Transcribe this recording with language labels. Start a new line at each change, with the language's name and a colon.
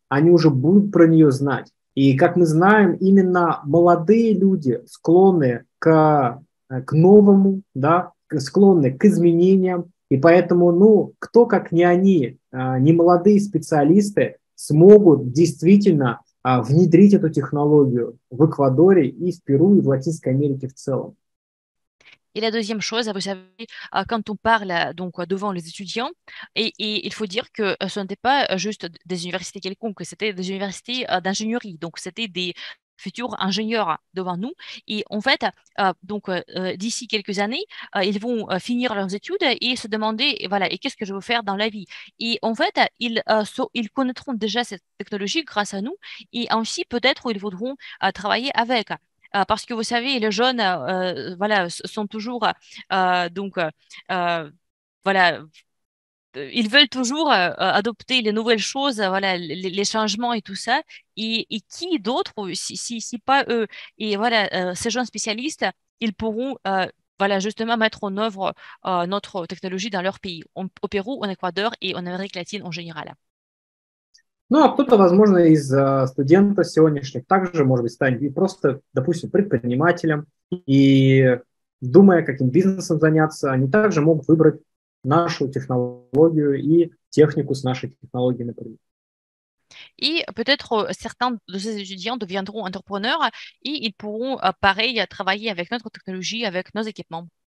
Russian: Они уже будут про нее знать. И, как мы знаем, именно молодые люди склонны к новому, да, склонны к изменениям. И поэтому, ну, кто как не они, не молодые специалисты, смогут действительно внедрить эту технологию в Эквадоре и в Перу, и в Латинской Америке в целом.
French: Et la deuxième chose, vous savez, quand on parle donc, devant les étudiants, et il faut dire que ce n'était pas juste des universités quelconques, c'était des universités d'ingénierie, donc c'était des futurs ingénieurs devant nous. Et en fait, donc, d'ici quelques années, ils vont finir leurs études et se demander, voilà, et qu'est-ce que je veux faire dans la vie? Et en fait, ils connaîtront déjà cette technologie grâce à nous, et ainsi peut-être ils voudront travailler avec. Parce que vous savez, les jeunes, voilà, sont toujours, donc, voilà, ils veulent toujours adopter les nouvelles choses, voilà, les changements et tout ça. Et qui d'autre, si pas eux, et voilà, ces jeunes spécialistes, ils pourront, voilà, justement, mettre en œuvre notre technologie dans leur pays, au Pérou, en Équateur et en Amérique latine en général.
Russian: Ну, а кто-то, возможно, из студентов сегодняшних также, может быть, станет и просто, допустим, предпринимателем, и думая, каким бизнесом заняться, они также могут выбрать нашу технологию и технику с нашей технологией, например. И,
French: peut-être, certains de ces étudiants deviendront entrepreneurs et ils pourront, pareil, travailler avec notre technologie, avec nos équipements.